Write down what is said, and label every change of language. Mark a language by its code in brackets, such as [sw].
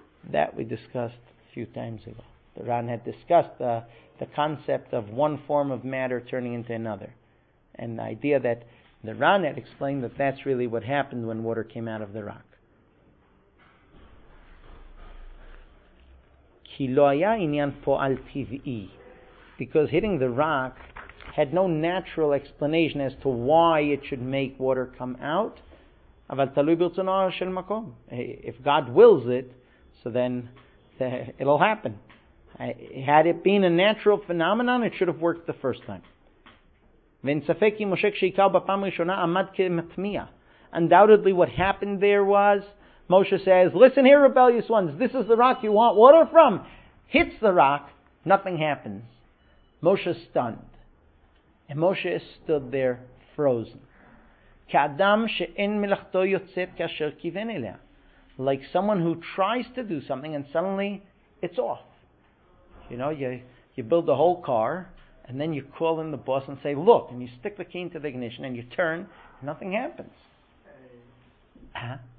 [en] That we discussed a few times ago. The Ran had discussed the concept of one form of matter turning into another. And the idea that the Ran had explained that that's really what happened when water came out of the rock. [he] כי לא היה עניין פועל טבעי. [en] Because hitting the rock had no natural explanation as to why it should make water come out. [he] אבל תלוי ברצונו של מקום. [en] If God wills it, so then it'll happen. Had it been a natural phenomenon, it should have worked the first time. [he] ואין ספק כי משה כשהכה בפעם ראשונה עמד כמתמיע. [en] Undoubtedly what happened there was, Moshe says, listen here, rebellious ones, this is the rock you want water from. Hits the rock, nothing happens. Moshe's stunned. And Moshe stood there frozen. [he] כאדם שאין מלאכתו יוצאת כאשר כיוון אליה. [en] Like someone who tries to do something and suddenly it's off. You know, you build the whole car and then you call in the boss and say, look, and you stick the key into the ignition and you turn, nothing happens. Huh?